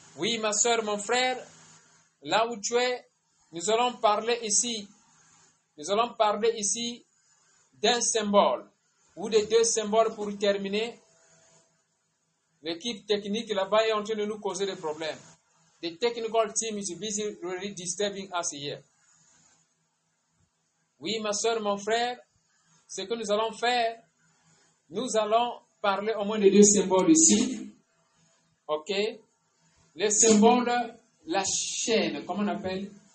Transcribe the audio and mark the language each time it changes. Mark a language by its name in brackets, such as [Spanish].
[French] Oui, ma soeur, mon frère, là où tu es, nous allons parler ici d'un symbole ou de deux symboles pour terminer. L'équipe technique là-bas est en train de nous causer des problèmes. [English] The technical team is busy really disturbing us here. [French] Oui, ma soeur, mon frère, ce que nous allons faire, nous allons parler au moins de deux symboles ici. OK? Le symbole, la chaîne, comment on appelle?